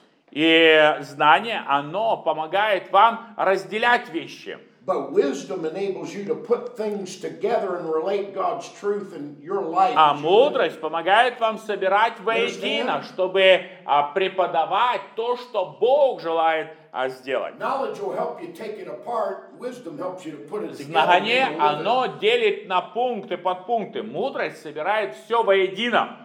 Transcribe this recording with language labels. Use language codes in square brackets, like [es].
[ru] И знание, оно помогает вам разделять вещи. [en] But wisdom enables you to put things together and relate God's truth in your life. [ru] А мудрость помогает вам собирать воедино, чтобы преподавать то, что Бог желает сделать. [en] Knowledge will help you take it apart. Wisdom helps you to put it together. [ru] Знание, оно делит на пункты, подпункты. Мудрость собирает все воедино.